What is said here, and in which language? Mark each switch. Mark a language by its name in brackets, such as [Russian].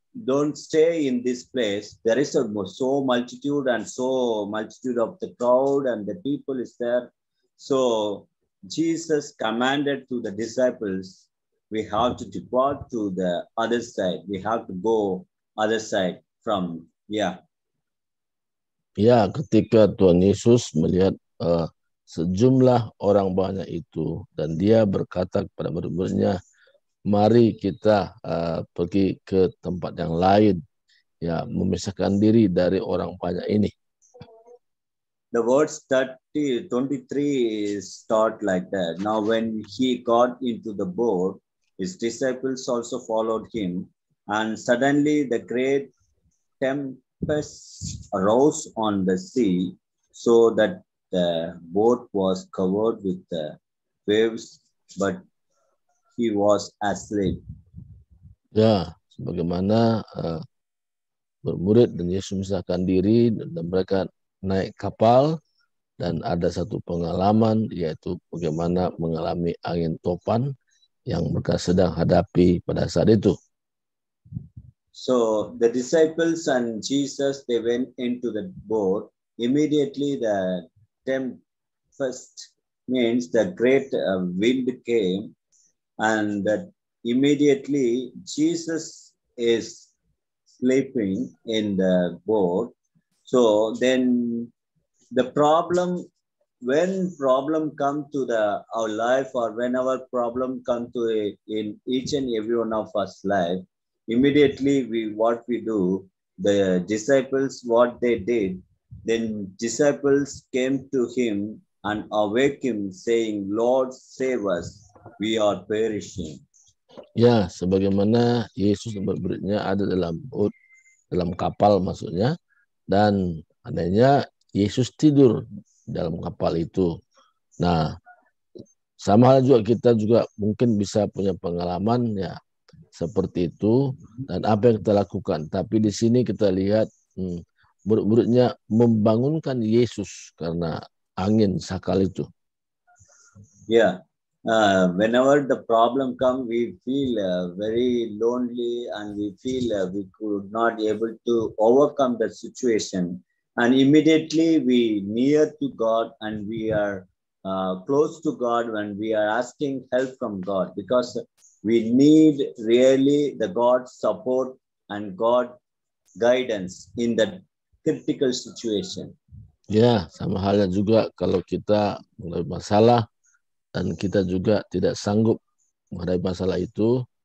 [English] Don't stay in this place. There is so multitude of the crowd and the people is there. So Jesus commanded to the disciples, we have to depart to the other side. We have to go other side from, yeah. [Indonesian] Ya, ketika Tuhan Yesus melihat sejumlah orang banyak itu, dan dia berkata kepada murid-muridnya, mari kita pergi ke tempat yang lain, ya, memisahkan diri dari orang banyak ini. [English] The words 23 start like that. Now when he got into the boat, his disciples also followed him, and suddenly the great tempest arose on the sea, so that the boat was covered with the waves, but he was asleep. [Indonesian] Ya, sebagaimana bermurid dan Yesus memisahkan diri dan mereka naik kapal dan ada satu pengalaman yaitu bagaimana mengalami angin topan yang mereka sedang hadapi pada saat itu. [English] So the disciples and Jesus they went into the boat. Immediately the tempest means the great wind came. And that immediately Jesus is sleeping in the boat. So then the problem, when problem come to the our life or whenever problem come to in each and every one of us life, immediately what we do, the disciples, what they did, then disciples came to him and awake him saying, Lord, save us. We are perishing. [Indonesian] Ya, sebagaimana Yesus dan murid-Nya ada dalam boat, dalam kapal maksudnya, dan anehnya Yesus tidur dalam kapal itu. Nah, sama hal juga kita juga mungkin bisa punya pengalaman ya seperti itu dan apa yang kita lakukan. Tapi di sini kita lihat murid-murid-Nya membangunkan Yesus karena angin sakal itu. Ya. [English] Whenever the problem come, we feel very lonely and we feel we could not able to overcome the situation. And immediately we near to God and we are close to God when we are asking help from God. Because we need really the God's support and God guidance in that critical situation. [Indonesian] Yeah, sama halnya juga kalau kita mulai masalah. Dan kita juga tidak sanggup menghadapi masalah itu.